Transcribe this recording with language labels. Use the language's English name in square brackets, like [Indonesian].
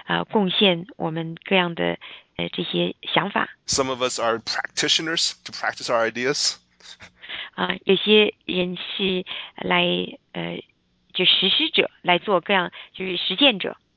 [Chinese] 贡献我们各样的这些想法。 [English] Some of us are practitioners to practice our ideas. [Chinese] 有些人是来就实施者来做各样就是实践者。